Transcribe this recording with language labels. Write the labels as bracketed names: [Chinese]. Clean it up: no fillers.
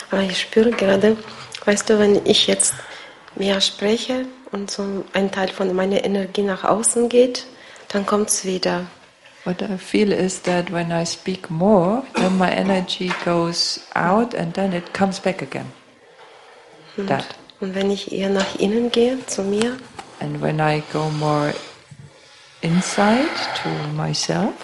[German] Ich spüre gerade, weißt du, wenn ich jetzt mehr spreche und so ein Teil von meiner Energie nach außen geht, dann kommt es wieder. [English] What I feel is that when I speak more, then my energy goes out and then it comes back again. [German] Und, that. Und wenn ich eher nach innen gehe, zu mir? [English] And when I go more inside to myself?